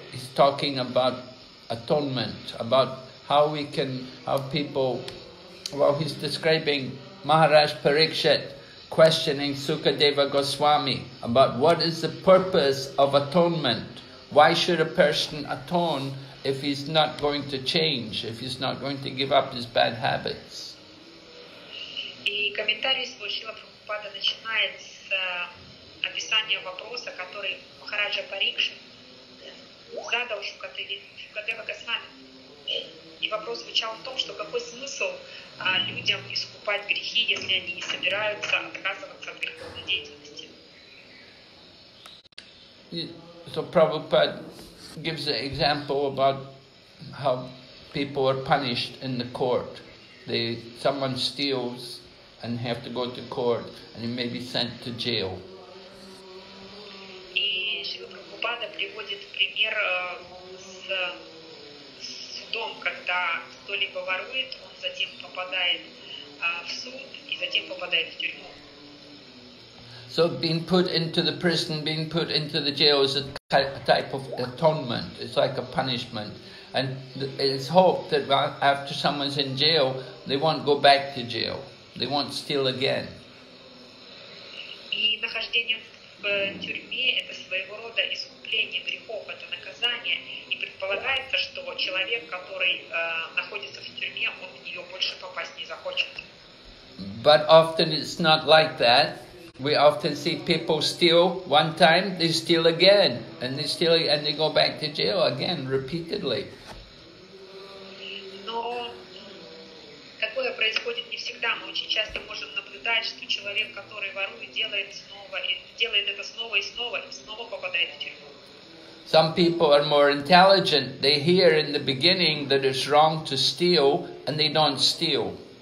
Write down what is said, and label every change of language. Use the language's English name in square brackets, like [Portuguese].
[English] He's talking about atonement, about how we can have people, well, he's describing Maharaj Parikshit questioning Sukadeva Goswami about what is the purpose of atonement. Why should a person atone if he's not going to change, if he's not going to give up his bad habits? [Russian] И комментарий свой Шрила Прабхупада начинает с описания вопроса, который Махараджа Парикшит задал Шукадева Госвами. И вопрос звучал в том, что какой смысл людям искупать грехи, если они не собираются отказываться от греховной деятельности. [English] So Prabhupada gives an example about how people are punished in the court. Someone steals and have to go to court and you may be sent to jail. [Russian] И Шрила Прабхупада приводит пример с судом, когда кто-либо ворует, он затем попадает в суд и затем попадает в тюрьму. [English] So being put into the prison, being put into the jail is a type of atonement. It's like a punishment. And it's hoped that after someone's in jail, they won't go back to jail. They won't steal again. [Russian] И нахождение в тюрьме – это своего рода искупление грехов, это наказание. И предполагается, что человек, который находится в тюрьме, он в нее больше попасть не захочет. [English] But often it's not like that. We often see people steal one time, they steal again, and they steal and they go back to jail again, repeatedly. [Russian] Но такое происходит не всегда. Мы очень часто можем наблюдать, что человек, который ворует, делает это снова и снова, и снова попадает в тюрьму. [English] Some people are more intelligent. They hear in the beginning that it's wrong to steal, and they don't steal.